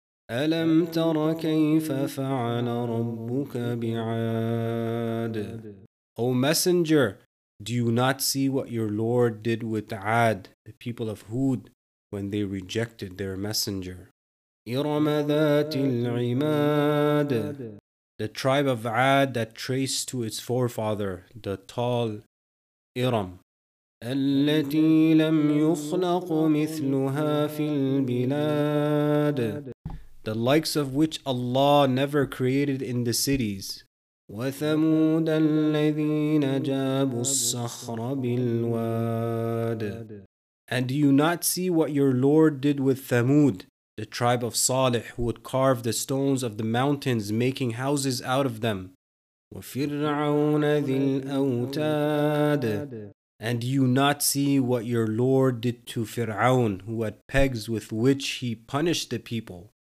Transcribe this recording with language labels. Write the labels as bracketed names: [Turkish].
[Arabic] ألم تر كيف فعل ربك بعاد [English] O messenger, do you not see what your Lord did with Ad, the people of Hud, when they rejected their messenger? [Arabic] إرم ذات العماد [English] The tribe of Ad that traced to its forefather, the tall Iram. [Arabic] التي لم يخلق مثلها في البلاد. [English] The likes of which Allah never created in the cities. [Arabic] وثمود الذين جابوا الصخر بالواد. [English] And do you not see what your Lord did with Thamud? The tribe of Salih who would carve the stones of the mountains, making houses out of them. [Arabic] وَفِرْعَوْنَ ذِي الْأَوْتَادِ [English] And do you not see what your Lord did to Fir'aun, who had pegs with which he punished the people?